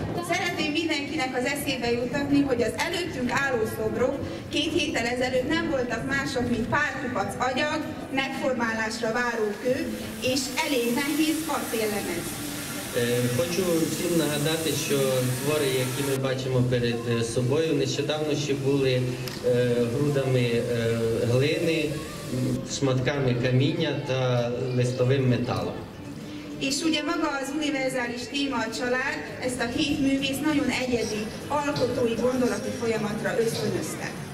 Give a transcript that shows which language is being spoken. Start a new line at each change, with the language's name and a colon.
Hungarian: Szeretném mindenkinek az eszébe jutatni, hogy az előttünk álló szobrok 2 héttel ezelőtt nem voltak mások, mint pár kupac agyag, megformálásra váró kő és elég nehéz acéllemez.
Ukrainian: Хочу всім нагадати, що твори, які ми бачимо перед собою, нещодавно ще були грудами глини, шматками каміння та листовим металом.
Hungarian: І ugye maga az univerzális téma a család, ezt a 7 művész nagyon egyedi alkotói gondolati folyamatra ösztönözte.